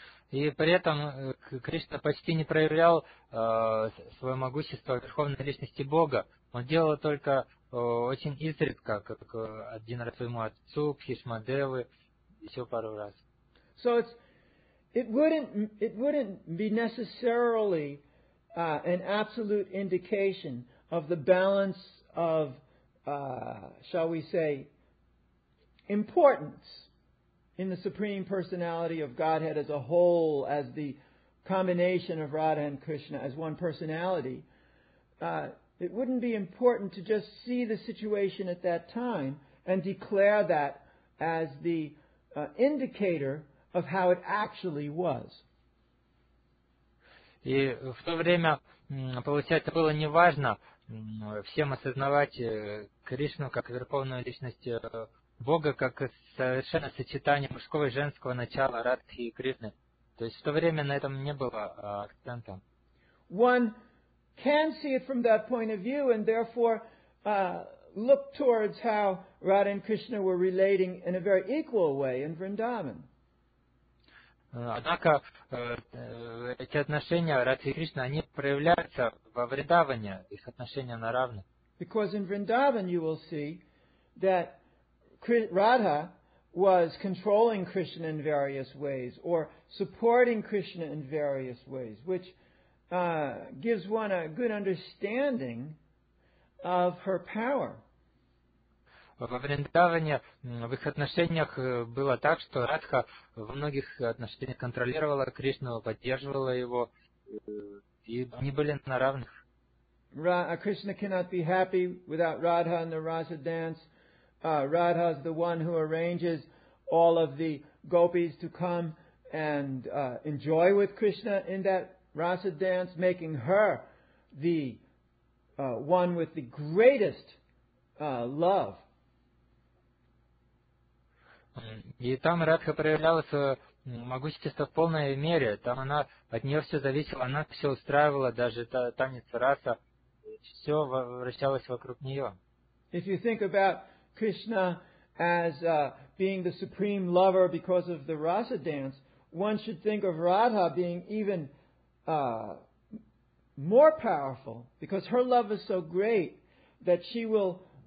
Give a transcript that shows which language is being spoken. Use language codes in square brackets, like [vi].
[ru] И при этом Кришна почти не проявлял свое могущество Верховной Личности Бога. Он делал только очень изредка, как один раз своему отцу, Кхишма Девы, еще пару раз. [en] So it wouldn't be necessarily an absolute indication of the balance of, shall we say, importance in the Supreme Personality of Godhead as a whole, as the combination of Radha and Krishna, as one personality, it wouldn't be important to just see the situation at that time and declare that as the indicator of how it actually was. [ru] И в то время, получается, было неважно всем осознавать Кришну как Верховную Личность Бога, как совершенно сочетание мужского и женского начала Радхи и Кришны. То есть в то время на этом не было акцента. [en] One can see it from that point of view and therefore look towards how Radha and Krishna were relating in a very equal way in Vrindavan. [ru] Однако эти отношения Радхи и Кришны, они проявляются во Вриндаване, их отношения на равных. [en] Because in Vrindavan you will see that Radha was controlling Krishna in various ways, or supporting Krishna in various ways, which gives one a good understanding of her power. [ru] Во Вриндаване в их отношениях было так, что Радха во многих отношениях контролировала Кришну, поддерживала его, и они были на равных. [en] Krishna cannot be happy without Radha and the Rasa dance. Radha is the one who arranges all of the gopis to come and enjoy with Krishna in that rasa dance, making her the one with the greatest love. [ru] И там Радха проявляла свое могущество в полной мере. Там она, от нее все зависело, она все устраивала, даже танец раса, все вращалось вокруг нее. [en] If you think about Krishna as being the supreme lover because of the rasa dance, one should think of Radha being even more powerful because her love is so great that she will